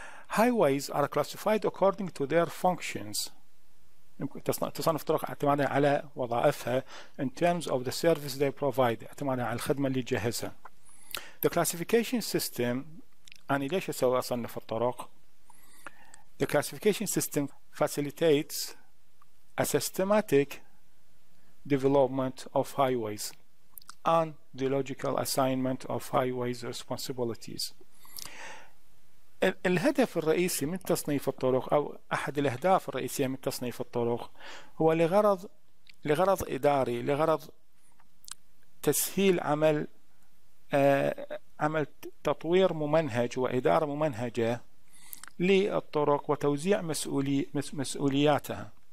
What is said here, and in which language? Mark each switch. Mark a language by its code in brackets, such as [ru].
[en] highways are classified according to their functions. [ar] تصنف الطرق اعتمادا على وظائفها [en] in terms of the service they provide [ar] اعتمادا على الخدمة اللي تجهزها. [en] The classification system [ar] يعني ليش أسوي أصنف الطرق. [en] The classification system facilitates a systematic development of highways and the logical assignment of highways responsibilities. [ar] الهدف الرئيسي من تصنيف الطرق أو أحد الأهداف الرئيسية من تصنيف الطرق هو لغرض إداري، لغرض تسهيل عمل تطوير ممنهج وإدارة ممنهجة للطرق وتوزيع مسؤولياتها.